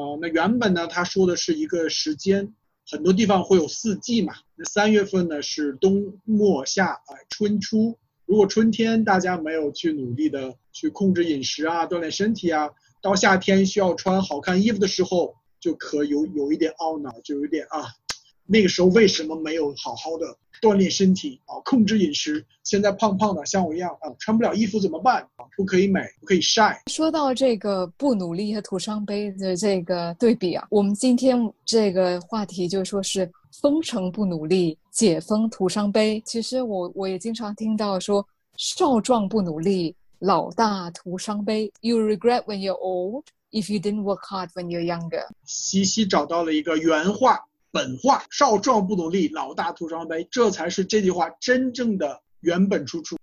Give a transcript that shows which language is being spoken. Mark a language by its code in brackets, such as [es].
[zh] 那原本呢他说的是一个时间，很多地方会有四季嘛，那三月份呢是冬末夏春初，如果春天大家没有去努力的去控制饮食啊，锻炼身体啊，到夏天需要穿好看衣服的时候就可有一点懊恼，就有点啊，那个时候为什么没有好好的锻炼身体啊，控制饮食，现在胖胖的像我一样啊，穿不了衣服怎么办啊，不可以美，不可以晒。说到这个不努力和徒伤悲的这个对比啊，我们今天这个话题就说是封城不努力，解封徒伤悲。其实我也经常听到说少壮不努力，老大徒伤悲。 [en] You regret when you're old if you didn't work hard when you're younger。 [zh] 西西找到了一个原话本话，少壮不努力，老大徒伤悲，这才是这句话真正的原本出处。